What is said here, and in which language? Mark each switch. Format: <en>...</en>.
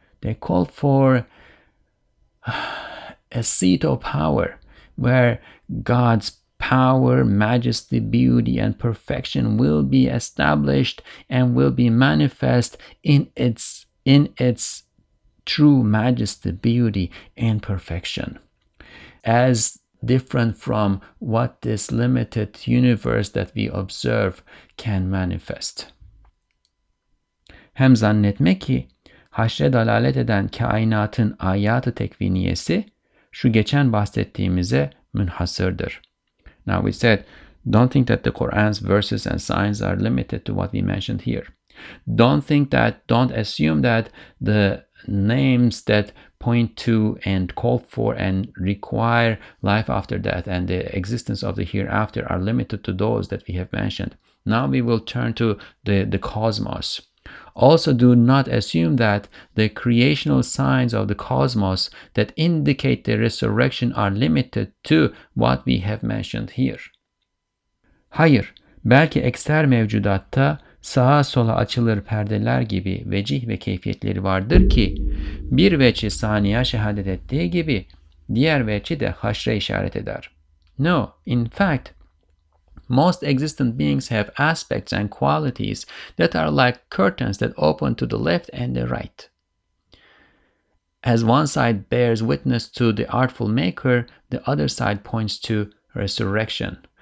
<en>They call for a seat of power where God's power, majesty, beauty, and perfection will be established and will be manifest in its true majesty, beauty, and perfection. As different from what this limited universe that we observe can manifest.</en> <tr>Hem zannetme ki, haşre dalalet eden kainatın ayat-ı tekviniyesi şu geçen bahsettiğimize münhasırdır.</tr> <en>Now we said, don't think that the Quran's verses and signs are limited to what we mentioned here. Don't assume that the names that point to and call for and require life after death and the existence of the hereafter are limited to those that we have mentioned. Now we will turn to the cosmos. Also, do not assume that the creational signs of the cosmos that indicate the resurrection are limited to what we have mentioned here.</en> <tr>Hayır, belki ekser mevcudatta sağa sola açılır perdeler gibi vecih ve keyfiyetleri vardır ki, bir veci saniye şehadet ettiği gibi diğer veci de haşre işaret eder.</tr> <en>No, in fact, most existent beings have aspects and qualities that are like curtains that open to the left and the right. As one side bears witness to the artful maker, the other side points to resurrection.</en>